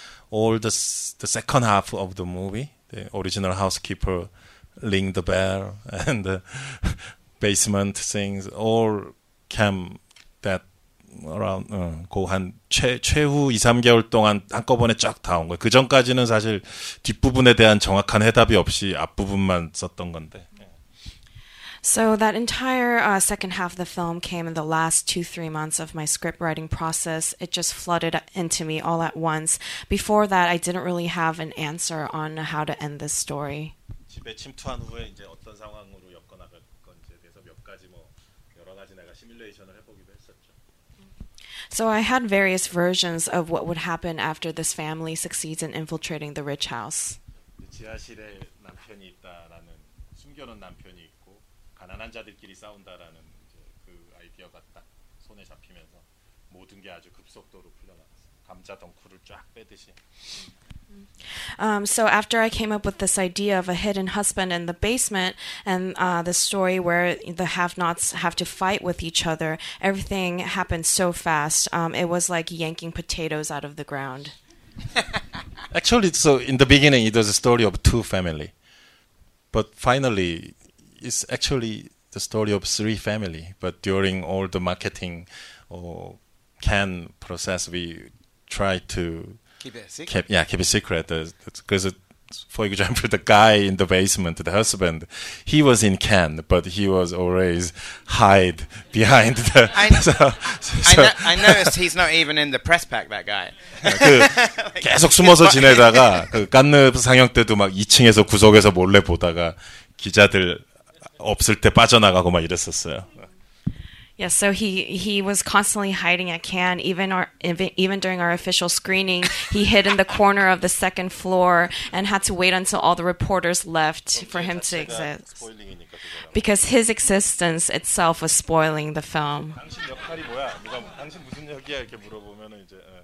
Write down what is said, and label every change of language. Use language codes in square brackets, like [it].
[en] All the second half of the movie, the original housekeeper ring the bell and the basement things, all came that around [ko] 고한 최후 2-3개월 동안 한꺼번에 쫙 다 온 거예요. 그 전까지는 사실 뒷부분에 대한 정확한 해답이 없이 앞부분만 썼던 건데. [en] So that entire second half of the film came in the last 2-3 months of my script writing process. It just flooded into me all at once. Before that, I didn't really have an answer on how to end this story. [ko] 집에 침투한 후에 이제 어떤 상황으로 엮어나갈 건지에 대해서 몇 가지 뭐 여러 가지 내가 시뮬레이션을 해보기도 했었죠. [en] So I had various versions of what would happen after this family succeeds in infiltrating the rich house. [ko] 지하실에 남편이 있다라는 숨겨놓은 남편이 가난한 자들끼리 싸운다라는 이제 그 아이디어가 딱 손에 잡히면서 모든 게 아주 급속도로 풀려나갔어요. 감자 덩크를 쫙 빼듯이. [en] So after I came up with this idea of a hidden husband in the basement and the story where the have-nots have to fight with each other, everything happened so fast. It was like yanking potatoes out of the ground. Actually, so in the beginning, it was a story of two family. But finally, it's actually the story of three family, but during all the marketing or can process, we try to keep it secret. Because, for example, the guy in the basement, the husband, he was in can, but he was always hide behind the. I noticed he's not even in the press pack. That guy. [ko] 계속 숨어서 지내다가 그 깐느 상영 때도 막 2층에서 구석에서 몰래 보다가 기자들 없을 때 빠져나가고 막 이랬었어요. [en] Yeah, so he was constantly hiding at Cannes. Even during our official screening, he hid in the corner of the second floor and had to wait until all the reporters left for him to exist. Because his existence itself was spoiling the film. [ko] 당신 역할이 뭐야? 누가 당신 무슨 역이야? 이렇게 물어보면 이제.